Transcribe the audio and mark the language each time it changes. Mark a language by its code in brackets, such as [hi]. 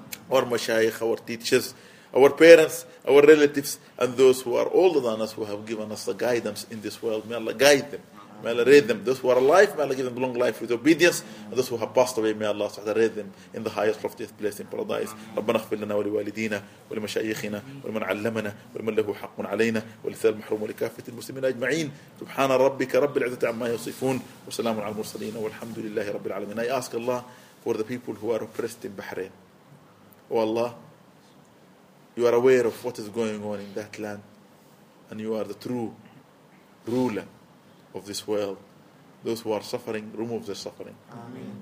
[en] Our mashayikh, our teachers, our parents, our relatives, and those who are older than us who have given us the guidance in this world, may Allah guide them. May Allah raise them. Those who are alive, may Allah give them long life with obedience. And those who have passed away, may Allah raise them in the highest, loftiest place in paradise. [ar] ربنا اغفر لنا ولوالدينا ولمشايخنا ولمن علمنا ولمن له حق علينا ولسائر المحروم ولكافة المسلمين أجمعين. سبحان ربك رب العزة عما يصفون وسلام على المرسلين والحمد لله رب العالمين. [en] I ask Allah for the people who are oppressed in Bahrain. Oh Allah, you are aware of what is going on in that land and you are the true ruler of this world. Those who are suffering, remove their suffering. Amen.